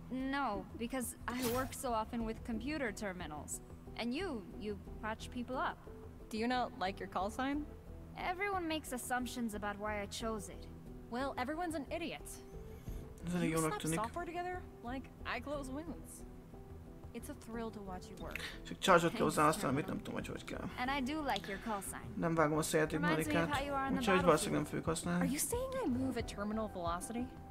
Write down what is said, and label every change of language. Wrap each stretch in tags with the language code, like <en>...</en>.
<en>No, because I work so often with computer terminals. And you patch people up. Do you not like your call sign? Everyone makes assumptions about why I chose it. Well, everyone's an idiot. Do you slap software together? Like, I close wounds. It's a thrill to watch you work.</en> <hu>Csak charge-ot kell hozzáhasználni, amit nem tudom, hogy kell.</hu> <en>And I do like your call sign.</en> <hu>Nem vágom a szeljáték marikát. Úgyhogy valószínűleg nem fogjuk használni.</hu> <en>Are you saying I move at terminal velocity?</en>